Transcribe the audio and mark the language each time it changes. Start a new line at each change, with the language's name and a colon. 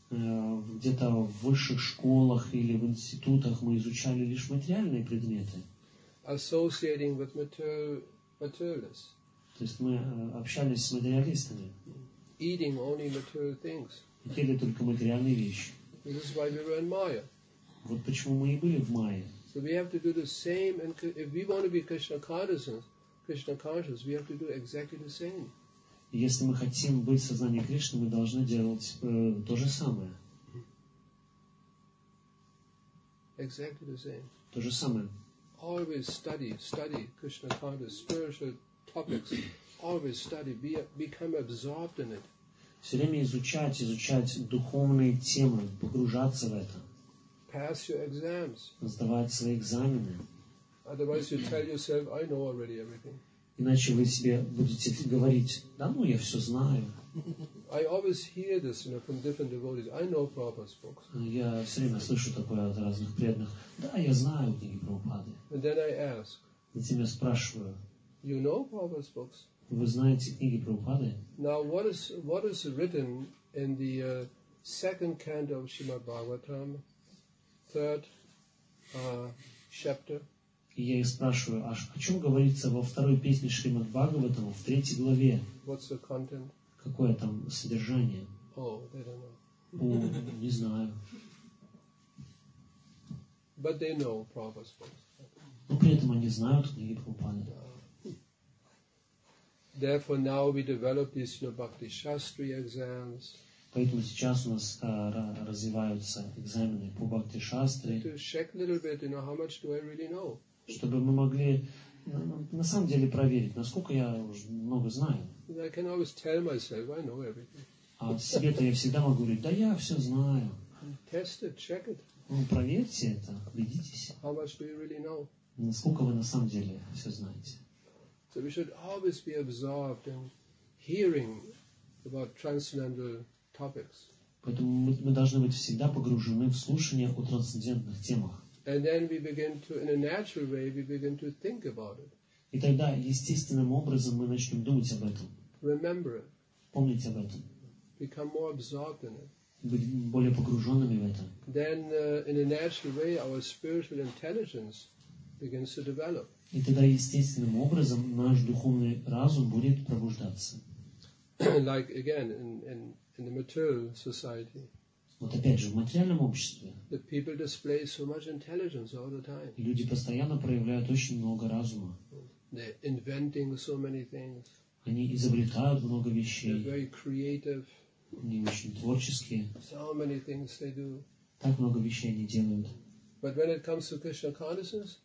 Russian: Где-то в высших школах или в институтах мы изучали лишь материальные предметы.
English: Associating with materialists.
Russian: То есть мы общались с материалистами.
English: Eating only material things.
Russian: Ели только материальные вещи.
English: This is why we were in Maya.
Russian: Вот почему мы и были в Майе.
English: So we have to do the same, and if we want to be Krishna conscious, we have to do exactly the same.
Russian: Если мы хотим быть в сознании Кришны, мы должны делать то же самое.
English: Exactly the same.
Russian: То же самое.
English: Always study, study Krishna consciousness, spiritual topics. Always study, become absorbed in it.
Russian: Все время изучать, изучать духовные темы, погружаться в это.
English: Pass your exams.
Russian: Сдавать свои экзамены.
English: Otherwise you tell yourself, I know already everything.
Russian: Иначе вы себе будете говорить, да ну, я все знаю.
English: I always hear this, you know, from different devotees. I know Prabhupada's books.
Russian: Я все время слышу такое от разных преданных. Да, я знаю книги Прабхупады.
English: And then I ask.
Russian: Затем я спрашиваю.
English: You know Prabhupada's books?
Russian: Вы знаете книги Прабхупады?
English: Now, what is written in the second canto of Srimad Bhagavatam, third chapter?
Russian: И я их спрашиваю, а о чем говорится во второй песне Шримад Бхагаватам, в третьей главе?
English: What's the content?
Russian: Какое там содержание?
English: Oh, they don't know.
Russian: Не знаю.
English: But they know Prabhupada's books.
Russian: Но при этом они знают книги Прабхупады.
English: Therefore, now we develop these, you know, Bhakti Shastri exams.
Russian: Поэтому сейчас у нас развиваются экзамены по Бхакти Шастри.
English: To check a little bit, you know, how much do I really know?
Russian: Чтобы мы могли на самом деле проверить, насколько я уже много знаю.
English: I can always tell myself, I know everything.
Russian: А себе-то я всегда могу говорить, да я все знаю.
English: Test it, check it.
Russian: Ну, проверьте это, убедитесь.
English: How much do you really know?
Russian: Насколько вы на самом деле все знаете.
English: So we should always be absorbed in hearing about transcendental topics.
Russian: Поэтому мы должны быть всегда погружены в слушание о трансцендентных темах.
English: And then we begin to, in a natural way, we begin to think about it.
Russian: И тогда естественным образом мы начнем думать об этом.
English: Remember it.
Russian: Помнить об этом.
English: Become more absorbed in it.
Russian: Быть более погруженными в это.
English: Then, in a natural way, our spiritual intelligence begins to develop.
Russian: И тогда естественным образом наш духовный разум будет пробуждаться.
English: Like again, in the material society.
Russian: Вот опять же, в материальном обществе
English: the people display so much intelligence all the time.
Russian: Люди постоянно проявляют очень много разума.
English: They're inventing so many things.
Russian: Они изобретают много вещей.
English: They're very creative.
Russian: Они очень творческие.
English: So many things they do.
Russian: Так много вещей они делают.
English: But when it comes to Krishna consciousness,